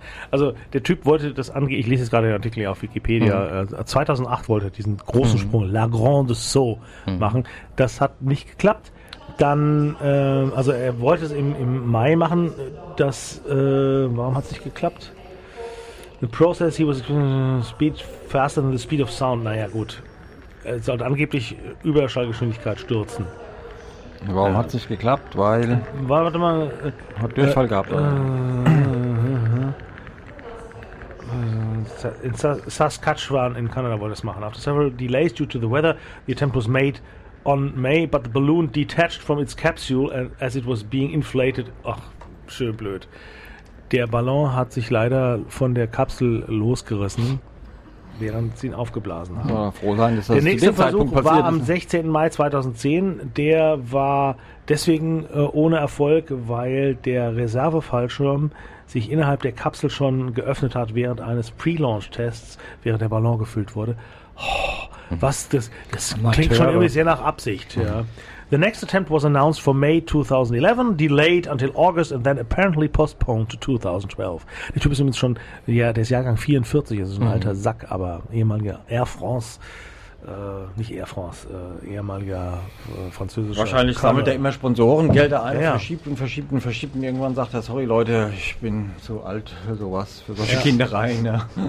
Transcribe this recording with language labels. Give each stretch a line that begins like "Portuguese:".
German: Also der Typ wollte das angehen, ich lese jetzt gerade den Artikel hier auf Wikipedia, 2008 wollte er diesen großen Sprung, La Grande Saut, machen, das hat nicht geklappt. Dann, also er wollte es im Mai machen, das, warum hat es nicht geklappt?
English: The process, he was speed faster than the speed of sound.
German: Naja, gut. Er sollte angeblich Überschallgeschwindigkeit stürzen. Warum hat es nicht geklappt? Weil... Warte mal. Hat Durchfall gehabt. In Saskatchewan in Kanada wollte es machen.
English: After several delays due to the weather, the attempt was made on May, but the balloon detached from its capsule as it was being inflated.
German: Ach, schön blöd. Der Ballon hat sich leider von der Kapsel losgerissen, während sie ihn aufgeblasen haben. Ja, froh sein, dass das der nächste Versuch war am 16. Mai 2010. Der war deswegen ohne Erfolg, weil der Reservefallschirm sich innerhalb der Kapsel schon geöffnet hat während eines Pre-Launch-Tests, während der Ballon gefüllt wurde. Oh, was das klingt schon irgendwie sehr nach Absicht. Ja.
English: The next attempt was announced for May 2011, delayed until August and then apparently postponed to 2012.
German: Der Typ ist übrigens schon, ja, der ist Jahrgang 44, also ein alter Sack, aber ehemaliger Air France, nicht Air France, ehemaliger französischer. Wahrscheinlich Kramer. Sammelt er immer Sponsorengelder ein, verschiebt und irgendwann sagt er, sorry Leute, ich bin zu alt für solche Kindereien. Ja.